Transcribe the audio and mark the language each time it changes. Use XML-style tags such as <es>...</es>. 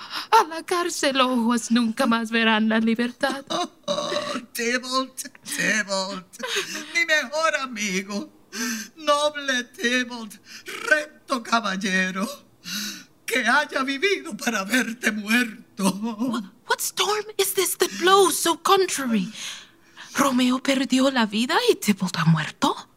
<es>A la cárcel, ojos nunca más verán la libertad. Tybalt, Tybalt, mi mejor amigo, noble Tybalt, recto caballero, que haya vivido para verte muerto.</es> <en>What storm is this that blows so contrary?</en> <es>Romeo perdió la vida y Tybalt ha muerto.</es>